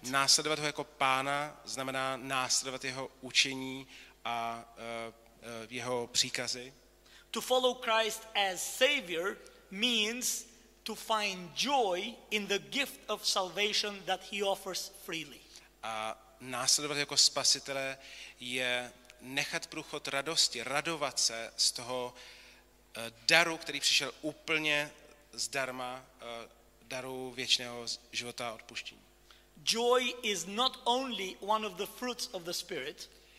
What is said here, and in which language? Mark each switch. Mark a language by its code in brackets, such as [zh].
[cs] Následovat ho jako pána znamená následovat jeho učení a jeho příkazy. [en] To follow Christ as Savior means to find joy in the gift of salvation that he offers freely. [cs] A následovat jako spasitele je nechat průchod radosti, radovat se z toho daru, který přišel úplně zdarma, daru věčného života a odpuštění. [en] Joy is not only one of the fruits of the Spirit.